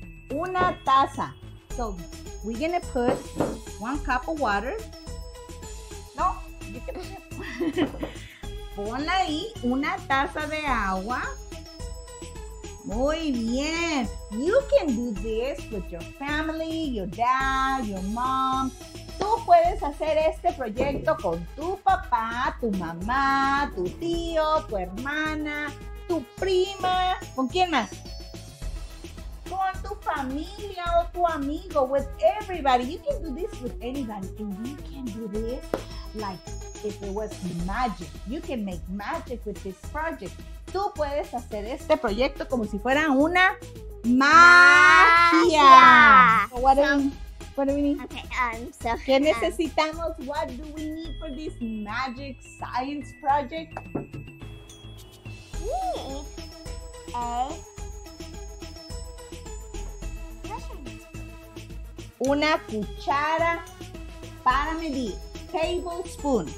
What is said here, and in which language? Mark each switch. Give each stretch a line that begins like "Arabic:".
Spanish: Una taza.
English: So we're going to put one cup of water.
Spanish: No, ponla ahí, una taza de agua. Muy bien.
English: You can do this with your family, your dad, your mom.
Spanish: Tú puedes hacer este proyecto con tu papá, tu mamá, tu tío, tu hermana, tu prima. ¿Con quién más? Con tu familia o tu amigo,
English: with everybody. You can do this with anybody. And you can do this like if it was magic. You can make magic with this project.
Spanish: Tú puedes hacer este proyecto como si fuera una magia.
English: So
Spanish: ¿Qué necesitamos?
English: What do we need for this magic science project? We need a measuring cup.
Spanish: Una cuchara para medir. Tablespoon.